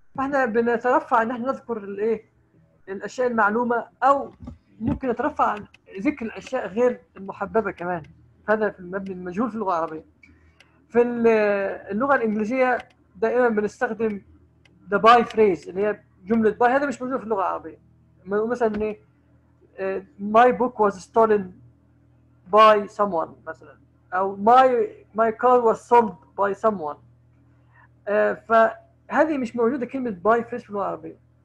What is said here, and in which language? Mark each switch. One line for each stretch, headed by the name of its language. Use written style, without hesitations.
Arabic: فاحنا بنترفع ان احنا نذكر الايه الاشياء المعلومه، او ممكن نترفع عن ذكر الاشياء غير المحببه كمان. هذا في المبني المجهول في اللغه العربيه. في اللغه الانجليزيه دائما بنستخدم
English: the by phrase
Arabic: اللي هي جمله by. هذا مش موجود في اللغه العربيه. مثلا ايه
English: my book was stolen by someone
Arabic: مثلا،
English: او my car was sold by someone.
Arabic: فهذه مش موجوده كلمه by phrase في اللغه العربيه.